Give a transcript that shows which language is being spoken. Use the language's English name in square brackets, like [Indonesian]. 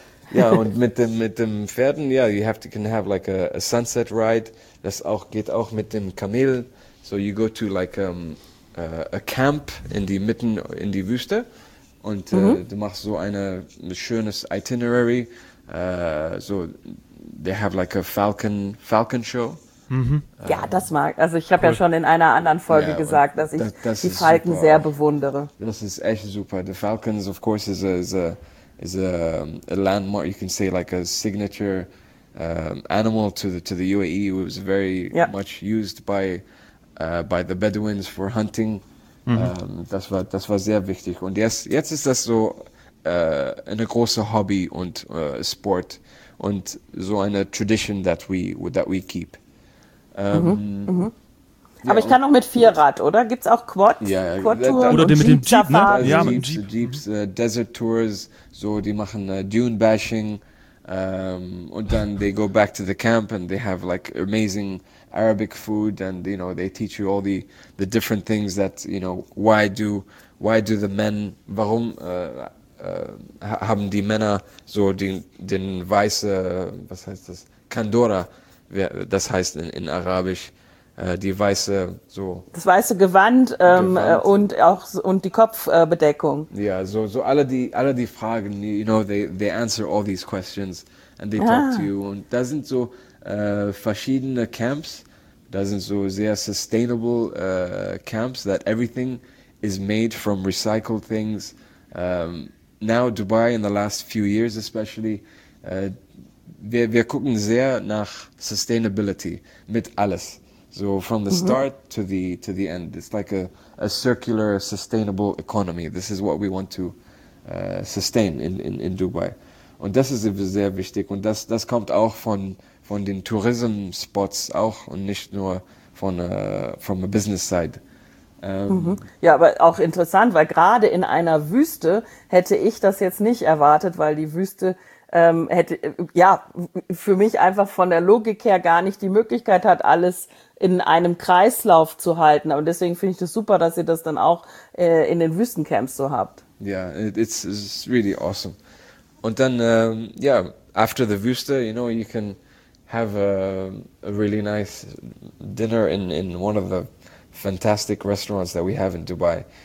[German] Ja, und mit dem Pferden, ja, [English] you have to can have like a sunset ride. Das auch geht auch mit dem Kamel. So you go to like a camp in die mitten in die Wüste und du machst so eine schönes Itinerary. So they have like a falcon show. [German] Mhm. Ja, das mag. Also ich habe ja schon in einer anderen Folge gesagt, dass ich die Falken sehr bewundere. Das ist echt super. [English] The Falcons, of course, is a landmark. You can say like a signature animal to the UAE. It was very much used by the Bedouins for hunting. [German] Das war sehr wichtig. Und jetzt ist das so eine große Hobby und Sport und so eine Tradition [English] that we keep. [German] Aber ich kann auch mit Vierrad, oder? Gibt's auch Quads? Ja, oder mit dem Jeep, ne? Also ja, mit dem Jeep. Desert Tours, so die machen Dune Bashing und dann [English] they go back to the camp and they have like amazing Arabic food and you know they teach you all the different things that you know why do the men [German] warum haben die Männer so den weiße was heißt das Kandora. Das heißt in Arabisch die weiße so das weiße Gewand, Gewand. Und die Kopfbedeckung. Ja, so alle die Fragen, [English] you know, they answer all these questions and they talk to you. [German] Und da sind so verschiedene Camps, da sind so sehr sustainable Camps, [English] that everything is made from recycled things. Now Dubai in the last few years especially. [German] Wir gucken sehr nach Sustainability mit alles. [English] So from the start to the end. It's like a circular, sustainable economy. This is what we want to sustain in Dubai. [German] Und das ist sehr wichtig. Und das kommt auch von den Tourism-Spots auch und nicht nur [English] from a business side. [German] Ja, aber auch interessant, weil gerade in einer Wüste hätte ich das jetzt nicht erwartet, weil die Wüste hätte ja für mich einfach von der Logik her gar nicht die Möglichkeit hat, alles in einem Kreislauf zu halten. Und deswegen finde ich das super, dass ihr das dann auch in den Wüstencamps so habt. [English] Ja, it's really awesome. [German] Und dann, [English] after the Wüste, you know, you can have a really nice dinner in one of the fantastic restaurants that we have in Dubai.